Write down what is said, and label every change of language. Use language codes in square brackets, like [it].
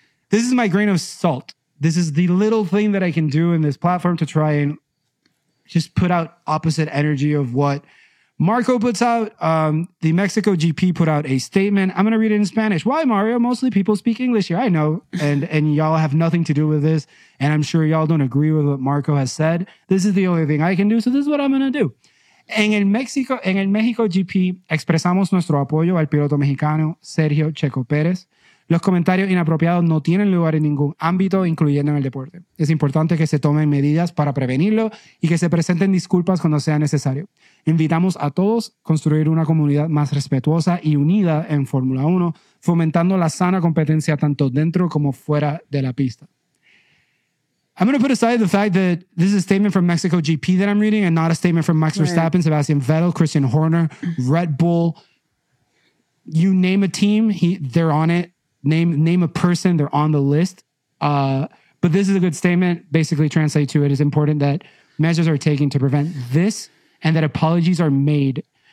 [en] This is my grain of salt. This is the little thing that I can do in this platform to try and just put out opposite energy of what Marco puts out. The Mexico GP put out a statement. I'm going to read it in Spanish. Why, Mario? Mostly people speak English here. I know. And y'all have nothing to do with this. And I'm sure y'all don't agree with what Marco has said. This is the only thing I can do. So this is what I'm going to do. [es] En el Mexico GP, expresamos nuestro apoyo al piloto mexicano Sergio Checo Pérez. Los comentarios inapropiados no tienen lugar en ningún ámbito, incluyendo en el deporte. Es importante que se tomen medidas para prevenirlo y que se presenten disculpas cuando sea necesario. Invitamos a todos a construir una comunidad más respetuosa y unida en Fórmula 1, fomentando la sana competencia tanto dentro como fuera de la pista. [en] I'm going to put aside the fact that this is a statement from Mexico GP that I'm reading and not a statement from Max Verstappen, Sebastian Vettel, Christian Horner, Red Bull. You name a team, they're on it. Name a person, they're on the list. But this is a good statement. Basically translate to it is important that measures are taken to prevent this and that apologies are made.